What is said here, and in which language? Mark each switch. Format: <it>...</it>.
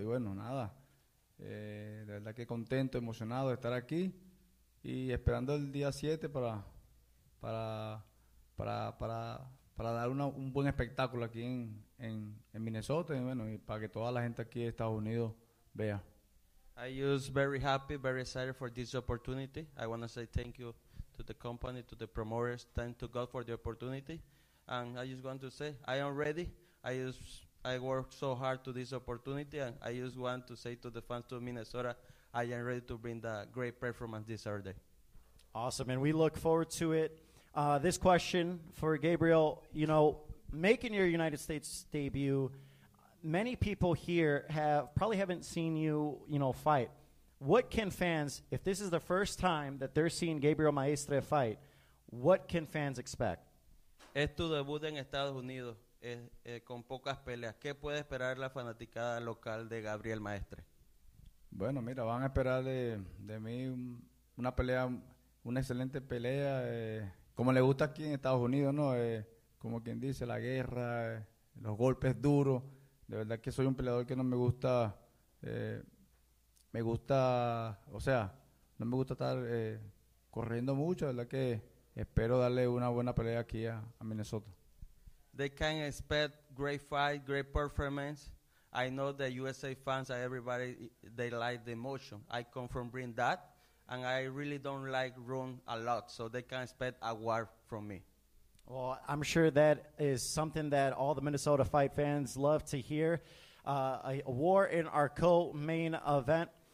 <es>Y bueno, nada, de verdad que contento, emocionado de estar aquí. Y esperando el día 7 para dar un buen espectáculo aquí en Minnesota. Y bueno, y para que toda la gente aquí de Estados Unidos vea.</es> <en>I was very happy, very excited for this opportunity. I want to say thank you to the company, to the promoters, thank to God for the opportunity. And I just want to say I am ready. I worked so hard to this opportunity, and I just want to say to the fans of Minnesota, I am ready to bring the great performance this Saturday. Awesome, and we look forward to it. This question for Gabriel, you know, making your United States debut, many people here probably haven't seen you fight. What can fans, if this is the first time that they're seeing Gabriel Maestre fight, what can fans expect?</en> <es>Es tu debut en Estados Unidos, con pocas peleas. ¿Qué puede esperar la fanaticada local de Gabriel Maestre? Bueno, mira, van a esperar de mí una pelea, una excelente pelea, como le gusta aquí en Estados Unidos, ¿no? Como quien dice, la guerra, los golpes duros. De verdad que soy un peleador que no me gusta, no me gusta estar corriendo mucho. De verdad que espero darle una buena pelea aquí a Minnesota.</es> <en>They can expect great fight, great performance. I know the USA fans and everybody, they like the emotion. I come from bring that, and I really don't like run a lot, so they can expect a war from me. Well, I'm sure that is something that all the Minnesota Fight fans love to hear, a war in our co-main event.</en>